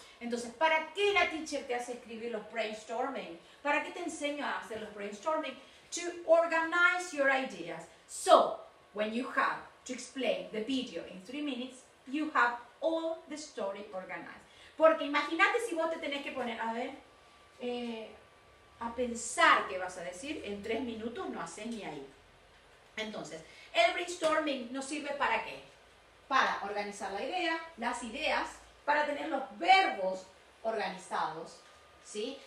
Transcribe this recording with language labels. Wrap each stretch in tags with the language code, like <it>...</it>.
<es>Entonces, ¿para qué la teacher te hace escribir los brainstorming? ¿Para qué te enseño a hacer los brainstorming?</es> <en>To organize your ideas. So, when you have to explain the video in 3 minutes, you have all the story organized.</en> <es>Porque imagínate si vos te tenés que poner, a pensar qué vas a decir en 3 minutos, no haces ni ahí. Entonces, el brainstorming nos sirve para qué. Para organizar la idea, las ideas, para tener los verbos organizados, ¿sí?</es>